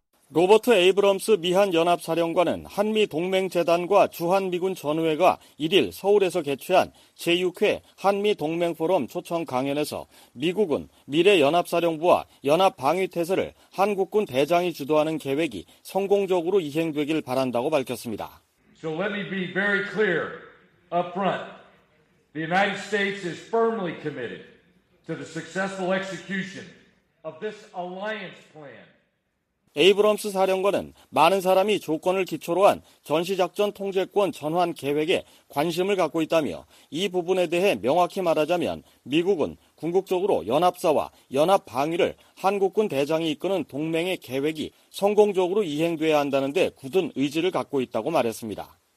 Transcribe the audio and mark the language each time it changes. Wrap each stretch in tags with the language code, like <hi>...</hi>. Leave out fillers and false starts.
<ko>로버트 에이브럼스 미한연합사령관은 한미동맹재단과 주한미군 전우회가 1일 서울에서 개최한 제6회 한미동맹포럼 초청 강연에서 미국은 미래연합사령부와 연합방위태세를 한국군 대장이 주도하는 계획이 성공적으로 이행되길 바란다고 밝혔습니다.</ko> <en>So let me be very clear up front. The United States is firmly committed to the successful execution of this alliance plan.</en> <ko>에이브럼스 사령관은 많은 사람이 조건을 기초로 한 전시작전 통제권 전환 계획에 관심을 갖고 있다며 이 부분에 대해 명확히 말하자면 미국은 궁극적으로 연합사와 연합방위를 한국군 대장이 이끄는 동맹의 계획이 성공적으로 이행돼야 한다는 데 굳은 의지를 갖고 있다고 말했습니다.</ko>